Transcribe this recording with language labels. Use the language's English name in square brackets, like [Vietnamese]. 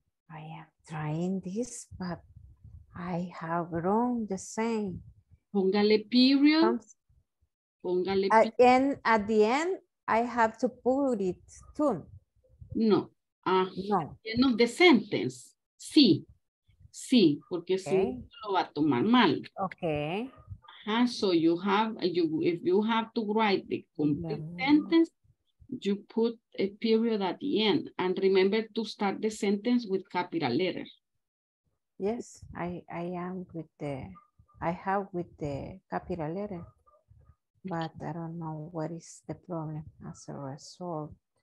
[English] I am trying this, but I have grown the same. [Spanish] Póngale period. Póngale period. [English] And at the end, I have to put it too. No. No. End of the sentence. Sí. [Spanish] Sí, porque okay. Si no lo va a tomar mal. [English] Okay. So if you have to write the complete sentence, you put a period at the end, and remember to start the sentence with capital letter. Yes, I am with the capital letter, but I don't know what is the problem as a result.